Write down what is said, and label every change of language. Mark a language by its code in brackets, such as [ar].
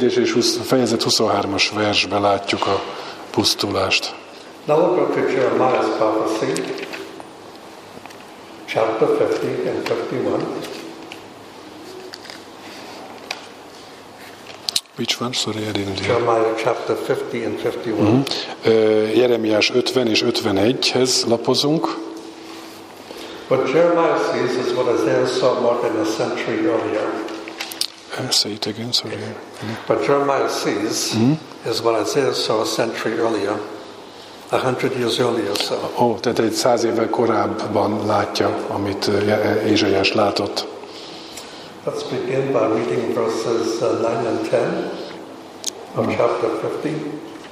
[hu] 14-es és 20, fejezet 23-as versben látjuk a pusztulást. [en] Now we'll go to Jeremiah's prophecy, chapter 50 and 51. Which one? Sorry, I didn't hear. Jeremiah chapter 50 and 51. [hu] Jeremiás 50 és 51-hez lapozunk. [en] What Jeremiah sees is what Isaiah saw more than a century earlier. Say it again, sorry. But Jeremiah sees is what Isaiah saw a century earlier, 100 years earlier. So. [hu] Oh, tehát egy 100 évvel korábban látja, amit Ézsaiás látott. [en] Let's begin by reading verses 9 and 10 of chapter 50.